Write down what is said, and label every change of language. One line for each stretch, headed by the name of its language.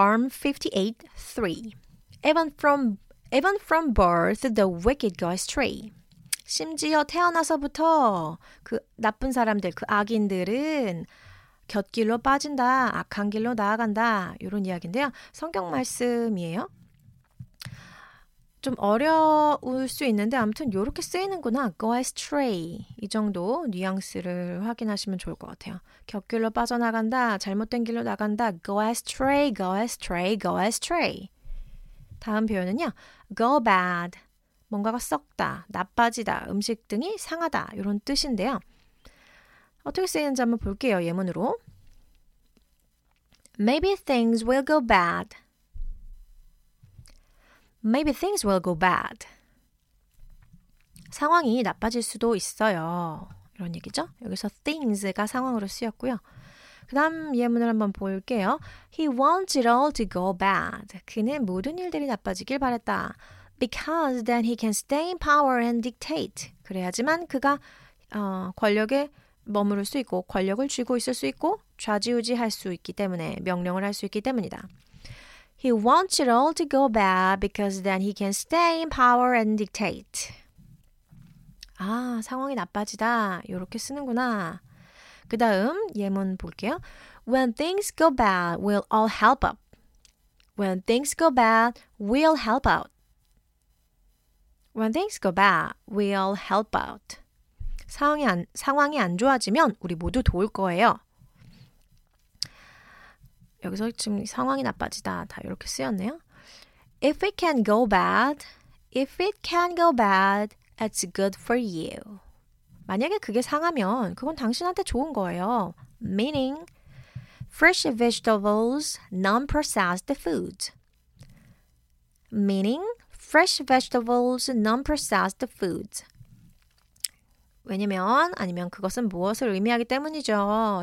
English: Psalm 58:3 Even from birth the wicked go astray.
Korean: 심지어 태어나서부터 그 나쁜 사람들, 그 악인들은 곁길로 빠진다, 악한 길로 나아간다 이런 이야기인데요. 성경 말씀이에요. 좀 어려울 수 있는데 아무튼 이렇게 쓰이는구나. Go astray 이 정도 뉘앙스를 확인하시면 좋을 것 같아요. 곁길로 빠져나간다, 잘못된 길로 나간다.
English: Go astray, go astray, go astray.
Korean: 다음 표현은요.
English: Go bad.
Korean: 뭔가가 썩다, 나빠지다, 음식 등이 상하다 이런 뜻인데요. 어떻게 쓰이는지 한번 볼게요. 예문으로
English: Maybe things will go bad. Maybe things will go bad.
Korean: 상황이 나빠질 수도 있어요. 이런 얘기죠. 여기서 things가 상황으로 쓰였고요. 그 다음 예문을 한번 볼게요.
English: He wants it all to go bad.
Korean: 그는 모든 일들이 나빠지길 바랬다.
English: Because then he can stay in power and dictate.
Korean: 그래야지만 그가 권력에 머무를 수 있고 권력을 쥐고 있을 수 있고 좌지우지 할 수 있기 때문에 명령을 할 수 있기 때문이다.
English: He wants it all to go bad because then he can stay in power and dictate.
Korean: 아, 상황이 나빠지다. 이렇게 쓰는구나. 그 다음 예문 볼게요.
English: When things go bad, we'll all help up. When things go bad, we'll help out. When things go bad, we'll help out.
Korean: 상황이 안 좋아지면 우리 모두 도울 거예요. 여기서 지금 상황이 나빠지다 다 이렇게 쓰였네요.
English: If it can go bad, if it can go bad, it's good for you.
Korean: 만약에 그게 상하면 그건 당신한테 좋은 거예요.
English: Meaning, fresh vegetables, non-processed food. Meaning, fresh vegetables, non-processed foods.
Korean: 왜냐면 아니면 그것은 무엇을 의미하기 때문이죠.